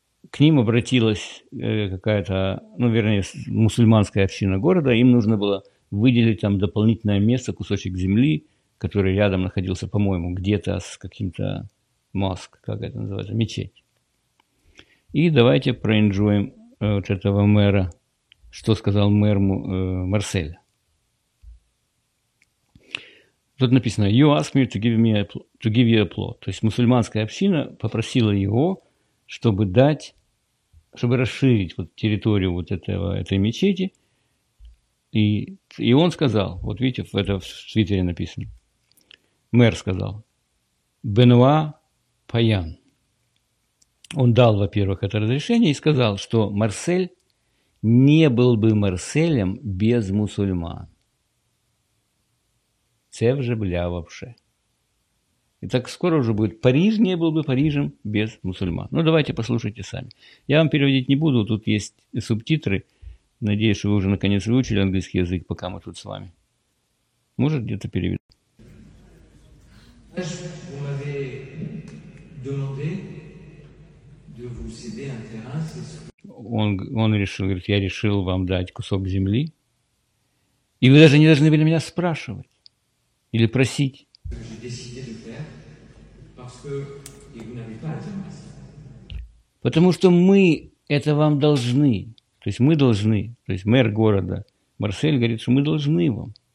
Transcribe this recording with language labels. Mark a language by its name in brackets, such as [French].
[Russian] К ним обратилась какая-то, ну, вернее, мусульманская община города, им нужно было выделить там дополнительное место, кусочек земли, который рядом находился, по-моему, где-то с каким-то маск, как это называется, мечеть. И давайте проинжуем вот этого мэра, что сказал мэр Марселя. Тут написано, [English] you ask me to give you a plot. [Russian] То есть мусульманская община попросила его, чтобы дать, чтобы расширить вот территорию вот этого, этой мечети. И он сказал, вот видите, это в Твиттере написано. Мэр сказал, Бенуа Паян. Он дал, во-первых, это разрешение и сказал, что Марсель не был бы Марселем без мусульман. [Ukrainian] Це вже [Russian] бля вообще. И так скоро уже будет Париж, не был бы Парижем без мусульман. Ну, давайте послушайте сами. Я вам переводить не буду, тут есть субтитры. Надеюсь, что вы уже наконец выучили английский язык, пока мы тут с вами. Может, где-то переведу. [French] Vous m'avez demandé de vous céder un terrain, c'est ce que... [Russian] Он решил, говорит, я решил вам дать кусок земли. И вы даже не должны были меня спрашивать или просить. [French] J'ai décidé de faire parce que... Et vous n'avez pas la terrasse. [Russian] Потому что мы это вам должны. То есть мы должны. То есть мэр города Марсель говорит, что мы должны вам.